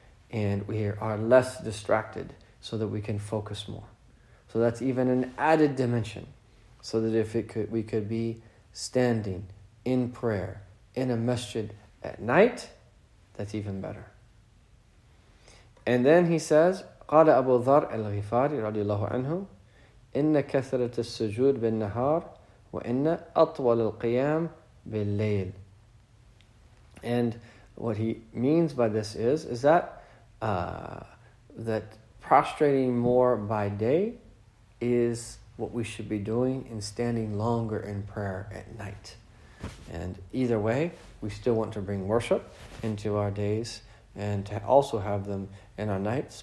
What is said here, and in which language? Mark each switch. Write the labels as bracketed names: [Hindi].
[English] And we are less distracted so that we can focus more. So that's even an added dimension. So that we could be standing in prayer in a masjid at night, that's even better. And then he says, [Arabic] قال أبو ذر الغفاري رضي الله عنه إن كثرة السجود بالنهار وإن أطول القيام بالليل. [English] And what he means by this is that that prostrating more by day is what we should be doing in standing longer in prayer at night. And either way, we still want to bring worship into our days and to also have them in our nights.